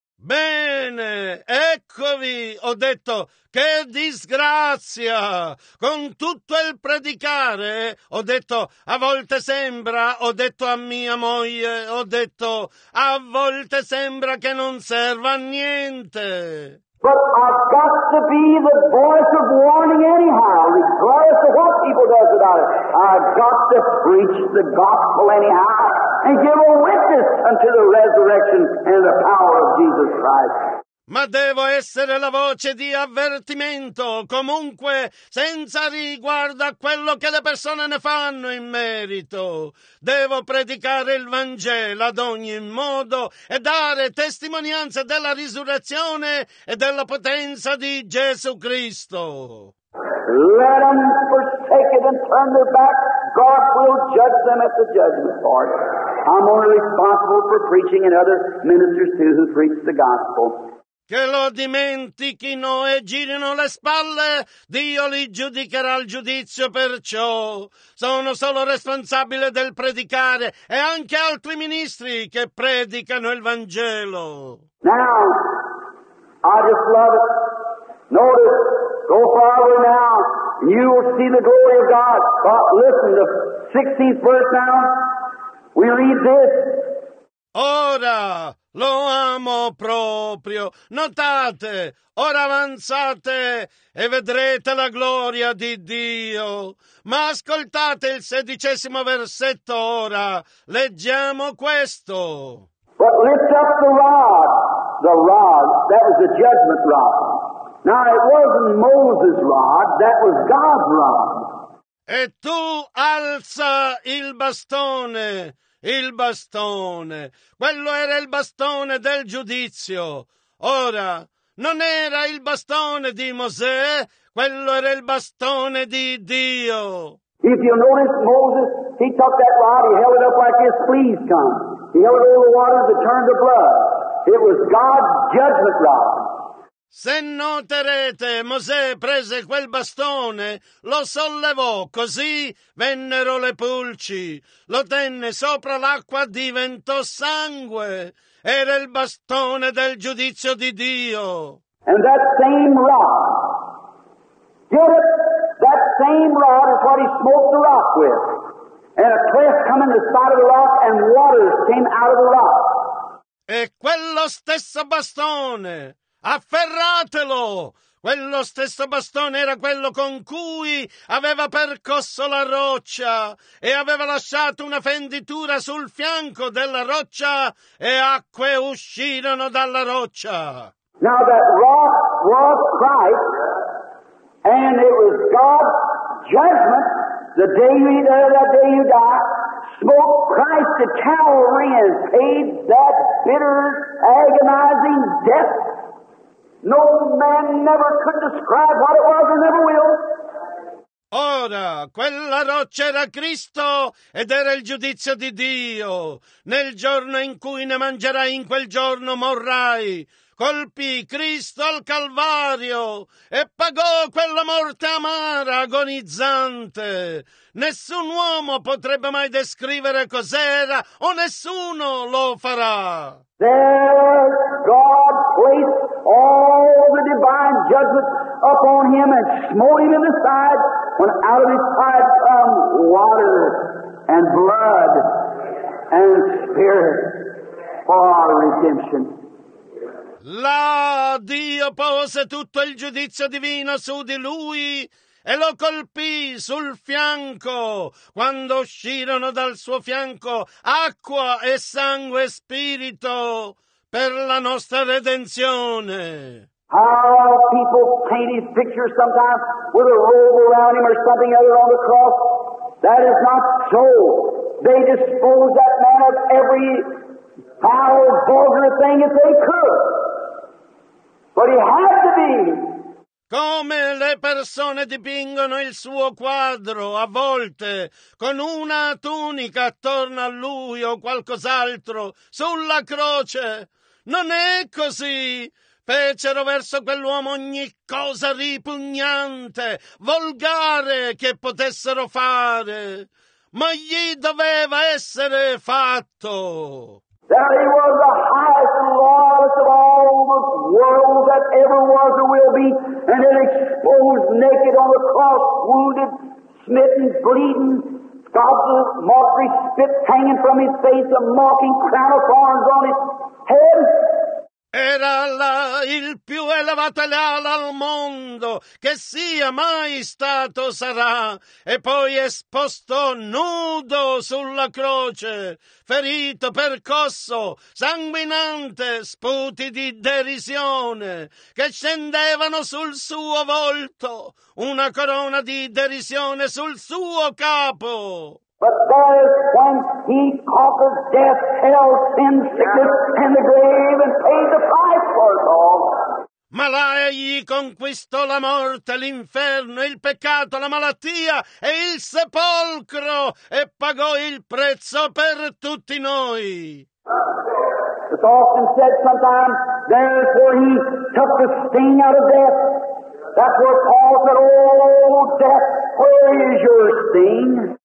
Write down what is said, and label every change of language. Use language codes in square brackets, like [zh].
[it] Bene, eccovi, ho detto, che disgrazia, con tutto il predicare, ho detto, a volte sembra, ho detto a mia moglie, ho detto, a volte sembra che non serva a niente. [en] But I've got to be the voice of warning anyhow, regardless of what people does about it. I've got to preach the gospel anyhow and give a witness unto the resurrection and the power of Jesus Christ. [it] Ma devo essere la voce di avvertimento, comunque, senza riguardo a quello che le persone ne fanno in merito. Devo predicare il Vangelo ad ogni modo e dare testimonianza della risurrezione e della potenza di Gesù Cristo. [en] Let them forsake it and turn their back. God will judge them at the judgment part. I'm only responsible for preaching and other ministers too who preach the gospel. [it] Che lo dimentichino e girino le spalle, Dio li giudicherà al giudizio per ciò. Sono solo responsabile del predicare e anche altri ministri che predicano il Vangelo. [en] Now, I just love it. Notice, go forward now, and you will see the glory of God. But listen, the 16th verse now, we read this. [it] Ora, lo amo proprio. Notate, ora avanzate e vedrete la gloria di Dio. Ma ascoltate il sedicesimo versetto ora. Leggiamo questo. [en] But lift up the rod, that was the judgment rod. Now it wasn't Moses' rod, that was God's rod. [it] E tu alza il bastone. Il bastone, quello era il bastone del giudizio. Ora, non era il bastone di Mosè, quello era il bastone di Dio. [en] If you notice Moses, he took that rod, he held it up like his fleas come. He held it over the water to turn to blood. It was God's judgment rod. [it] Se noterete, Mosè prese quel bastone, lo sollevò, così vennero le pulci. Lo tenne sopra l'acqua, diventò sangue. Era il bastone del giudizio di Dio. [en] And that same rod, get it? That same rod is what he smote the rock with. And a cleft came in the side of the rock, and waters came out of the rock. [it] E quello stesso bastone. Afferratelo! Quello stesso bastone era quello con cui aveva percosso la roccia e aveva lasciato una fenditura sul fianco della roccia e acque uscirono dalla roccia. [en] Now that rock was Christ and it was God's judgment the day you died, that day you died, smote Christ to Calvary and paid that bitter, agonizing death. No man never could describe what it was and never will. [it] Ora, quella roccia era Cristo ed era il giudizio di Dio. Nel giorno in cui ne mangerai, in quel giorno morrai. Colpì Cristo al Calvario e pagò quella morte amara, agonizzante. Nessun uomo potrebbe mai descrivere cos'era, o nessuno lo farà. [en] There God placed all the divine judgment upon him and smote him in the side, when out of his side come water and blood and spirit for our redemption. [it] Là Dio pose tutto il giudizio divino su di lui e lo colpì sul fianco. Quando uscirono dal suo fianco acqua e sangue e spirito per la nostra redenzione. [en] How people paint his picture sometimes with a robe around him or something other on the cross. That is not so. They disposed that man of every foul, vulgar thing if they could. But he had to be. [it] Come le persone dipingono il suo quadro, a volte con una tunica attorno a lui o qualcos'altro, sulla croce. Non è così. Fecero verso quell'uomo ogni cosa ripugnante, volgare che potessero fare. Ma gli doveva essere fatto. [en] That he was the highest and lawless of all the world that ever was or will be, and then exposed naked on the cross, wounded, smitten, bleeding, scalped, mockery, spit hanging from his face, a mocking crown of thorns on his head. [it] Era là il più elevato e leale al mondo che sia mai stato sarà, e poi esposto nudo sulla croce, ferito, percosso, sanguinante, sputi di derisione che scendevano sul suo volto, una corona di derisione sul suo capo. [en] But there is when he conquered death, hell, sin, sickness, and the grave, and paid the price for it all. [it] Ma là egli conquistò la morte, l'inferno, il peccato, la malattia e il sepolcro, e pagò il prezzo per tutti noi. [en] It's often said sometimes, therefore he took the sting out of death. That's where Paul said, oh, death, where is your sting?